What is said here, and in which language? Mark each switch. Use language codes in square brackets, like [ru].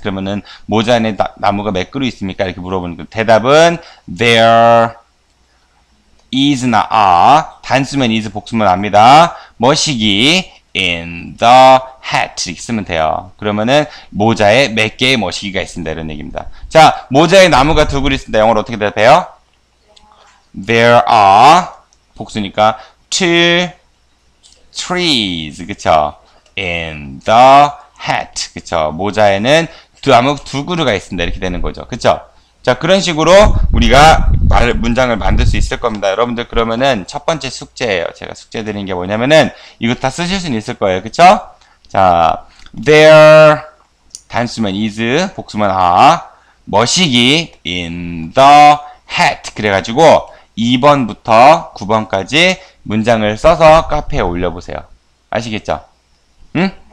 [ko] 그러면은 모자 안에 나무가 몇 그루 있습니까? 이렇게 물어보는 거예요. 대답은 there is나 are 단수면 is 복수면 압니다. 머시기 in the hat 이렇게 쓰면 돼요. 그러면은 모자에 몇 개의 머시기가 있습니다 이런 얘기입니다. 자 모자에 나무가 두 그루 있습니다. 영어로 어떻게 대답해요? [en] There are [ko] 복수니까 [en] two trees 그쵸? In the hat 그쵸? [ko] 모자에는 두 나무 두 그루가 있습니다 이렇게 되는 거죠. 그쵸? 자 그런 식으로 우리가 문장을 만들 수 있을 겁니다. 여러분들 그러면은 첫 번째 숙제예요. 제가 숙제 드린 게 뭐냐면은 이거 다 쓰실 수 있을 거예요. 그쵸? 자, there 단수면 is 복수면 are 머시기 [en] in the hat [ko] 그래가지고 2번부터 9번까지 문장을 써서 카페에 올려보세요. 아시겠죠? 응?